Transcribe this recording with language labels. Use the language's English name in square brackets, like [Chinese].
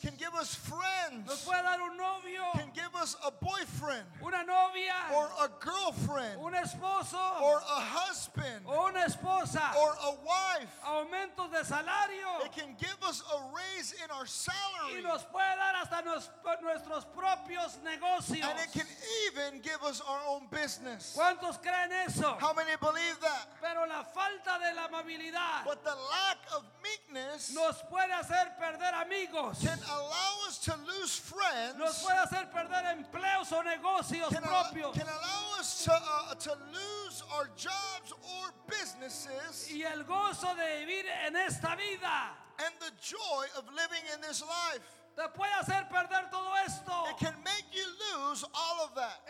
[English] Can give us friends. [Spanish] Nos puede dar un novio. [English] Can give us a boyfriend. [Spanish] Una novia. [English] Or a girlfriend. [Spanish] Un esposo. [English] Or a husband. [Spanish] O una esposa. [English] Or a wife. [Spanish] Aumentos de salario. [English] It can give us a raise in our salary. [Spanish] Y nos puede dar hasta nuestros propios negocios. [English] And it can even give us our own business. [Spanish] ¿Cuántos creen eso? [English] How many believe that? [Spanish] Pero la falta de la amabilidad, [English] but the lack of meekness, [Spanish] nos puede hacer perder amigos. [English] Can allow us to lose friends. [Spanish] Nos puede hacer perder empleos o negocios propios. [English] Can allow us to lose our jobs or businesses. [Spanish] Y el gozo de vivir en esta vida, [English] and the joy of living in this life, [Spanish] te puede hacer perder todo esto. [English] It can make you lose all of that.